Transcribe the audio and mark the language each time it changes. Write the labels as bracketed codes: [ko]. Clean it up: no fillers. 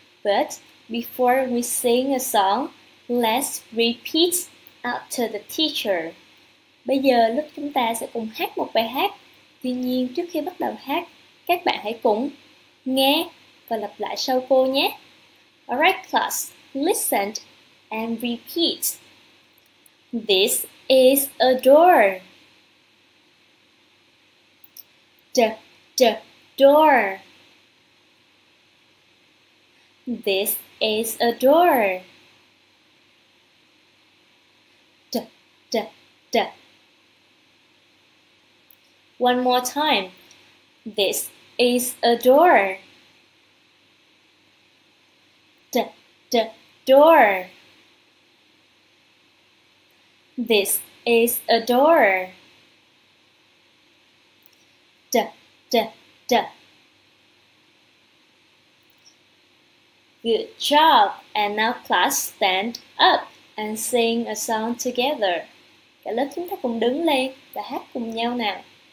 [en] But before we sing a song, let's repeat after the teacher. [vi] Bây giờ lớp chúng ta sẽ cùng hát một bài hát. Tuy nhiên, trước khi bắt đầu hát, các bạn hãy cùng nghe và lặp lại sau cô nhé. [en] Alright, class, listen and repeat. This is a door. D, d, door. This is a door. D, d, d. One more time. This is a door. D, d, door. This is a door. D, d, d. Good job! And now, class, stand up and sing a song together. [vi] Cả lớp chúng ta cùng đứng lên và hát cùng nhau nào.